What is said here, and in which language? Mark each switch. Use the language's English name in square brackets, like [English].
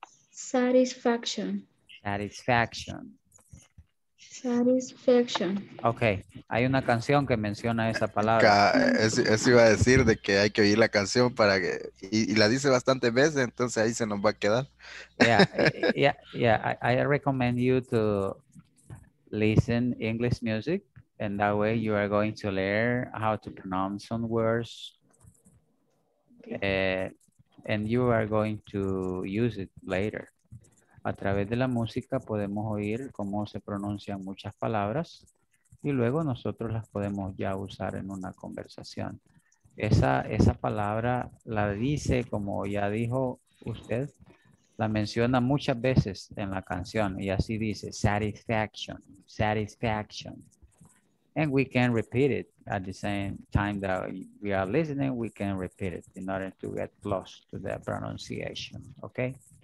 [English] Satisfaction. Satisfaction. Satisfaction. [Spanish] Okay, hay una canción que menciona esa palabra. Eso iba a decir de que hay que oír la canción para que, y la dice bastantes veces, entonces ahí se nos va a quedar. [English] Yeah. I recommend you to listen English music, and that way you are going to learn how to pronounce some words. And you are going to use it later. [Spanish] A través de la música podemos oír cómo se pronuncian muchas palabras y luego nosotros las podemos ya usar en una conversación. Esa palabra la dice, como ya dijo usted, la menciona muchas veces en la canción y así dice, satisfaction, satisfaction. [English] And we can repeat it at the same time that we are listening, we can repeat it in order to get close to the pronunciation, okay?